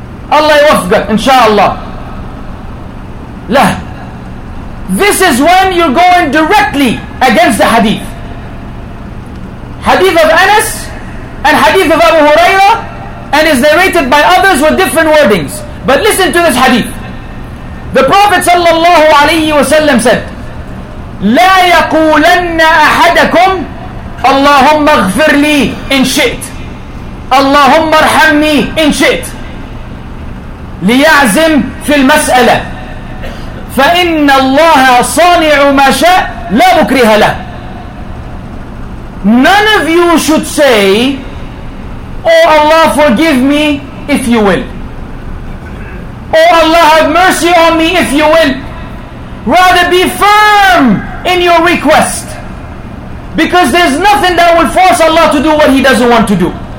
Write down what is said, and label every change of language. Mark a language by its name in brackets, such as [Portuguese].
[Arabic] Allah yuwaffiqa, inshallah. Lah. [English] This is when you're going directly against the hadith. Hadith of Anas and hadith of Abu Huraira, and is narrated by others with different wordings. But listen to this hadith. The Prophet sallallahu alayhi wa sallam said, [Arabic] لَا يَقُولَنَّ أَحَدَكُمْ اللَّهُمَّ اغْفِرْ لِي إِنْ شِئْتْ اللَّهُمَّ ارْحَمْنِي إِنْ شِئْتْ لِيَعْزِمْ فِي الْمَسْأَلَةِ فَإِنَّ اللَّهَ صَانِعُ مَا شَاءَ لَا مُكْرِهَ لَهُ. [English] None of you should say, oh Allah, forgive me if you will. Oh Allah, have mercy on me if you will. Rather be firm in your request. Because there's nothing that will force Allah to do what He doesn't want to do.